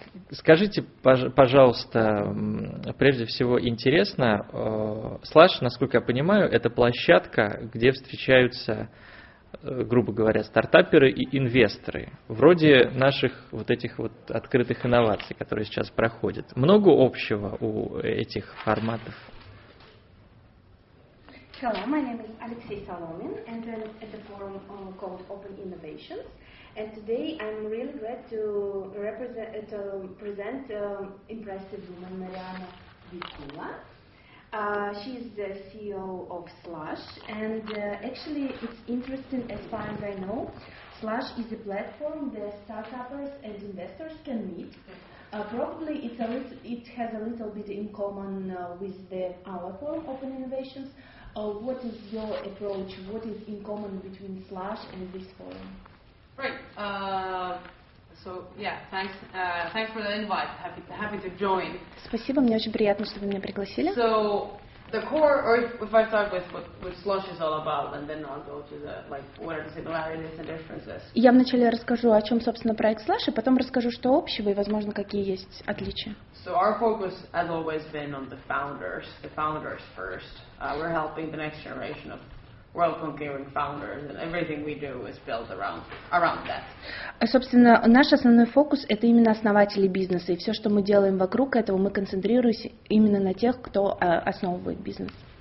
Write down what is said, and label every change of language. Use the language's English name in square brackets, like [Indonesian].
[Russian] Скажите, пожалуйста, прежде всего интересно, Slush, насколько я понимаю, это площадка, где встречаются, грубо говоря, стартаперы и инвесторы, вроде наших вот этих вот открытых инноваций, которые сейчас проходят. Много общего у этих форматов? [English] Hello, my name is Alexey Solomin, and I'm at the forum called Open Innovations. And today I'm really glad to present impressive woman Marianna Vikula. She is the CEO of Slush, and actually it's interesting, as far as I know, Slush is a platform that startups and investors can meet. Probably it has a little bit in common with our forum Open Innovations. What is your approach? What is in common between Slush and this forum? Right. Thanks. Thanks for the invite. Happy to join. [Russian] Спасибо, мне очень приятно, что вы меня пригласили. [English] So the core, or if I start with what Slush is all about, and then I'll go to the what are the similarities and differences. [Russian] Я вначале расскажу, о чем, собственно, проект Slush, и потом расскажу, что общего и, возможно, какие есть отличия. [English] So our focus has always been on the founders first. We're helping the next generation of world-conquering founders, and everything we do is built around that. [Russian] Собственно, наш основной фокус – это именно основатели бизнеса, и все, что мы делаем вокруг этого, мы концентрируемся именно на тех, кто основывает бизнес.